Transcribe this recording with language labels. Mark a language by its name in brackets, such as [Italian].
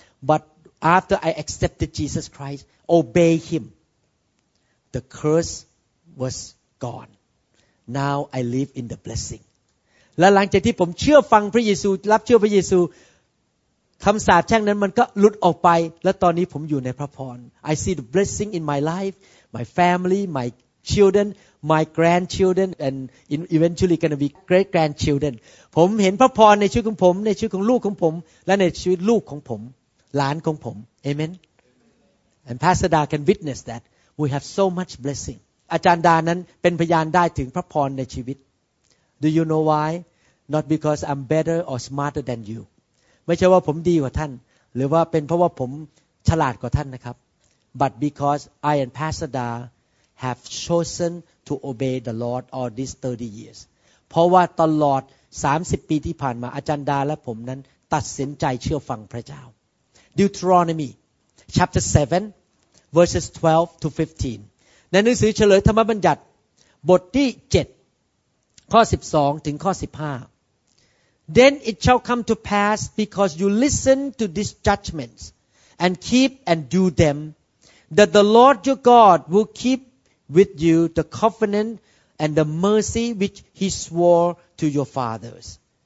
[English] But after I accepted Jesus Christ, obey him, the curse was gone. Now I live in the blessing. [Thai] และหลังจากที่ผมเชื่อฟังพระเยซูรับเชื่อพระเยซูคำสาปแช่งนั้นมันก็หลุดออกไปและตอนนี้ผมอยู่ในพระพร [English] I see the blessing in my life, my family, my children, my grandchildren, and eventually going to be great grandchildren. [Thai] ผมเห็นพระพรในชีวิตของผมในชีวิตของลูกของผมและในชีวิตลูกของผมหลานของผม [English] Amen. And Pastor Da can witness that we have so much blessing. [Thai] อาจารย์ดานั้นเป็นพยานได้ถึงพระพรในชีวิต [English] Do you know why? Not because I'm better or smarter than you. [Thai] ไม่ใช่ว่าผมดีกว่าท่านหรือว่าเป็นเพราะว่าผมฉลาดกว่าท่านนะครับ [English] but because I and Pastor Da have chosen to obey the Lord all these 30 years [Thai] เพราะว่าตลอด30ปีที่ผ่านมาอาจารย์ดาและผมนั้นตัดสินใจเชื่อฟังพระเจ้า [English] Deuteronomy chapter 7 verses 12 to 15 [Thai] ในหนังสือเฉลยธรรมบัญญัติบทที่7ข้อ12ถึงข้อ15 [English] Then it shall come to pass because you listen to these judgments and keep and do them that the Lord your God will keep with you the covenant and the mercy which he swore to your fathers.